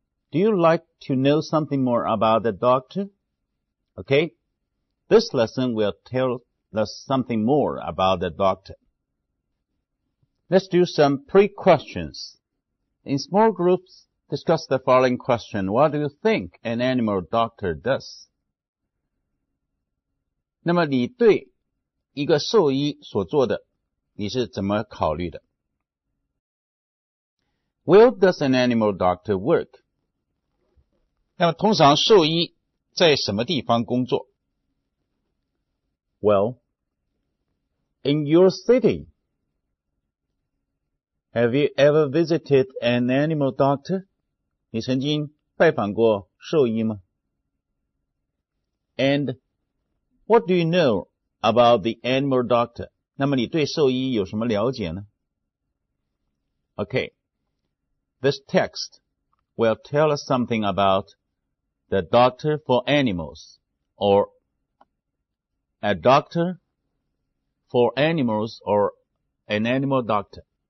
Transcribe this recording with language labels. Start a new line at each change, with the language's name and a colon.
English: Do you like to know something more about the doctor? Okay, this lesson will tell us something more about the doctor. Let's do some pre-questions. In small groups, discuss the following question. What do you think an animal doctor does?
Chinese: 那么你对一个兽医所做的，你是怎么考虑的？
English: Where does an animal doctor work?
Chinese: 那么通常兽医在什么地方工作？
English: Well, in your city. Have you ever visited an animal doctor?
Chinese: 你曾经拜访过兽医吗？
English: And what do you know about the animal doctor?
Chinese: 那么你对兽医有什么了解呢？
English: Okay, this text will tell us something about the doctor for animals, or a doctor for animals, or an animal doctor.